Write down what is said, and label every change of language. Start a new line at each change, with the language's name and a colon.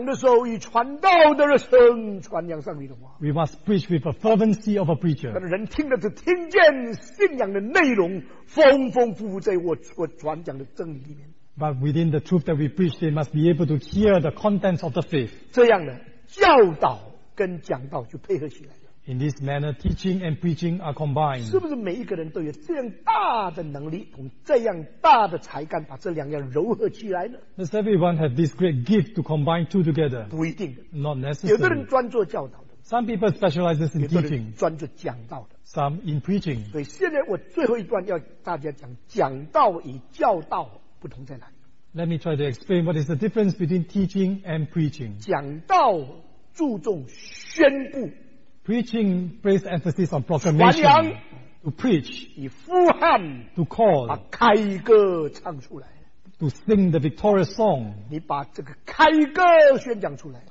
Chinese: 我们传福音的时候必须要有神学的内容，但是有传福音的热忱。我们讲的时候以传道的热忱传扬上帝的话。
English: We must preach with a fervency of a preacher.
Chinese: 人听了就听见信仰的内容，丰丰富富在我传讲的真理里面。
English: But within the truth that we preach, they must be able to hear the contents of the faith.
Chinese: 这样呢，教导跟讲道就配合起来。
English: In this manner, teaching and preaching are combined.
Chinese: 是不是每一个人都有这样大的能力，从这样大的才干，把这两样柔合起来呢？
English: Does everyone have this great gift to combine two together?
Chinese: 不一定的。
English: Not necessarily.
Chinese: 有的人专做教导的。
English: Some people specializes in teaching.
Chinese: 专做讲道的。
English: Some in preaching.
Chinese: 所以现在我最后一段要大家讲，讲道与教导不同在哪里？
English: Let me try to explain what is the difference between teaching and preaching.
Chinese: 讲道注重宣布。
English: Preaching placed emphasis on proclamation.
Chinese: 传扬,
English: to preach.
Chinese: 以呼喊,
English: to call.
Chinese: 把开歌唱出来,
English: to sing the victorious song.
Chinese: 你把这个开歌宣讲出来,